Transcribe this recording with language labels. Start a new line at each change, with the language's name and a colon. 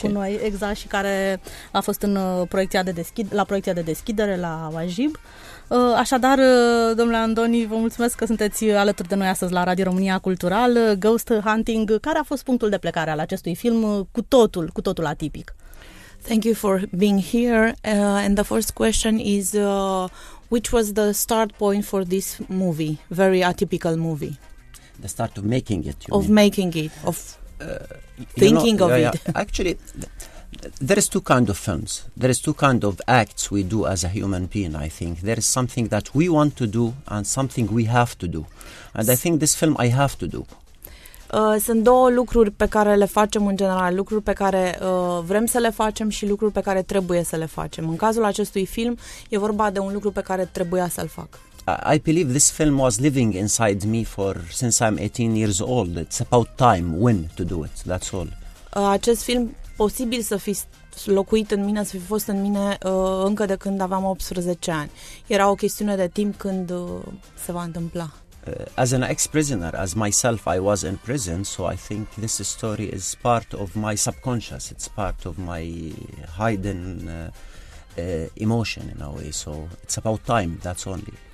Romanian: cu noi, exact, și care a fost la proiecția de deschidere la Wajib. Așadar, domnule Andoni, vă mulțumesc că sunteți alături de noi astăzi la Radio România Cultural. Ghost Hunting, care a fost punctul de plecare al acestui film cu totul atipic?
English: Thank you for being here. And the first question is, which was the start point for this movie, very atypical movie? The start of making it, you of mean? Making it, of thinking, you know, of yeah. It. Actually, there is two kind of films. There is two kind of acts we do as a human being, I think. There is something that we want to do and something we have to do. And I think this film I have to do.
Romanian: Sunt două lucruri pe care le facem în general, lucruri pe care vrem să le facem și lucruri pe care trebuie să le facem. În cazul acestui film, e vorba de un lucru pe care trebuia să-l fac.
English: I believe this film was living inside me since I'm 18 years old. It's about time, when to do it, that's all.
Romanian: Acest film, posibil să fi locuit în mine, să fi fost în mine încă de când aveam 18 ani. Era o chestiune de timp când se va întâmpla.
English: As an ex-prisoner, as myself, I was in prison, so I think this story is part of my subconscious, it's part of my hidden emotion, in a way, so it's about time, that's only.